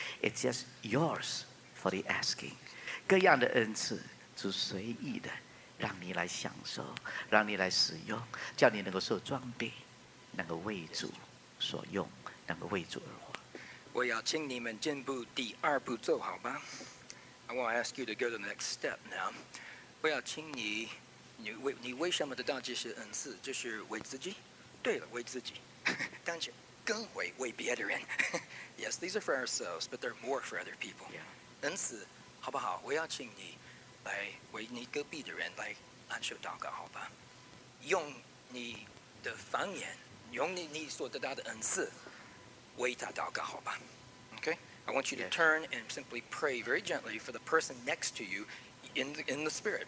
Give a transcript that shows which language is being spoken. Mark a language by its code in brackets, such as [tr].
[en] It's just yours for the asking. [zh] 各样的恩赐，主随意的让你来享受，让你来使用，叫你能够受装备，能够为主所用，能够为主而活。我要请你们进步第二步骤，好吗？ [en] I want to ask you to go to the next step now. [zh] 我要请你，你为什么得到这些恩赐？就是为自己。对了，为自己。但是更会为别的人。 [en] Yes, these are for ourselves, but they're more for other people. [zh] 恩赐，好不好？我要请你来为你隔壁的人来按手祷告，好吧？用你的方言，用你所得到的恩赐为他祷告，好吧？ [en] Okay? I want you to turn and simply pray very gently for the person next to you in the spirit.